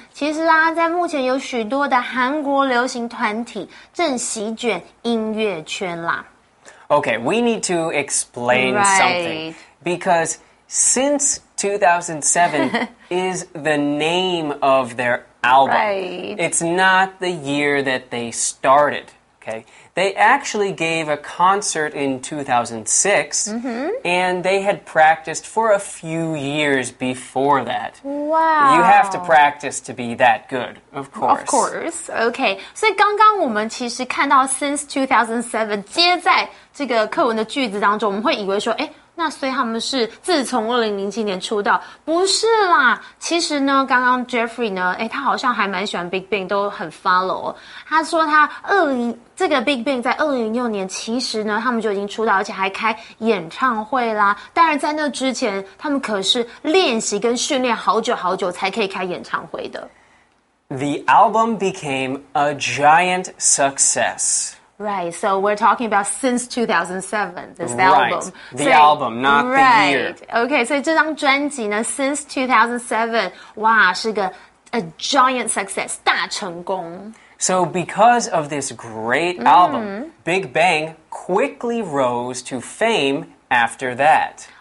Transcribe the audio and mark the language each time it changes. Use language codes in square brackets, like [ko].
[zh] 其实啊，在目前有许多的韩国流行团体正席卷音乐圈啦。 [en] Okay, we need to explain something. Because since 2007 is the name of their album. It's not the year that they started, okay? They actually gave a concert in 2006, and they had practiced for a few years before that. Wow. You have to practice to be that good, of course. Of course, okay. [zh] 所以刚刚我们其实看到 [en] since 2007 [zh] 接在这个课文的句子当中，我们会以为说，诶，那所以他们是自从2007年出道，不是啦。其实呢，刚刚 Jeffrey 呢，诶，他好像还蛮喜欢 Big Bang， 都很 follow。他说他这个 Big Bang 在2006年，其实呢，他们就已经出道，而且还开演唱会啦。当然在那之前，他们可是练习跟训练好久好久才可以开演唱会的。 [en] The album became a giant success. Right, so we're talking about since 2007, this album. Right, the album, not the year. Right, okay, so [zh] 这张专辑呢 [en] since 2007, [zh] 哇，是个 [en] a giant success, [zh] 大成功。 [en] So because of this great album, Big Bang quickly rose to fame after that.